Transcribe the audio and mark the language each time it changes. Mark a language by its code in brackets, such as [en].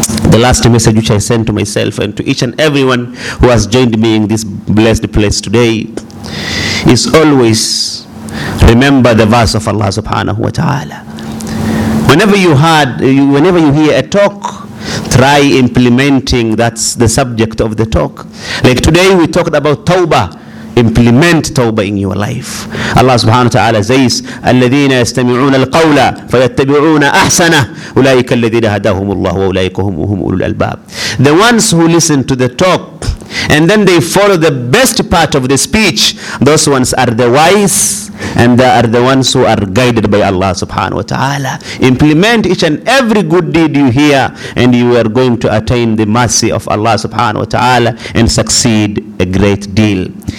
[en] The last message which I send to myself and to each and everyone who has joined me in this blessed place today is, always remember the verse of Allah subhanahu wa ta'ala. Whenever you hear a talk, try implementing that's the subject of the talk. Like today we talked about tawbah. Implement tawbah in your life. [ar] Allah subhanahu wa ta'ala says, الَّذِينَ يَسْتَمِعُونَ الْقَوْلَ فَيَتَّبِعُونَ أَحْسَنَهُ أُولَٰئِكَ الَّذِينَ هَدَاهُمُ اللَّهُ وَأُولَٰئِكَ هُمْ أُولُو الْأَلْبَابِ. [en] The ones who listen to the talk and then they follow the best part of the speech, those ones are the wise, and they are the ones who are guided by Allah subhanahu wa ta'ala. Implement each and every good deed you hear, and you are going to attain the mercy of Allah subhanahu wa ta'ala and succeed a great deal.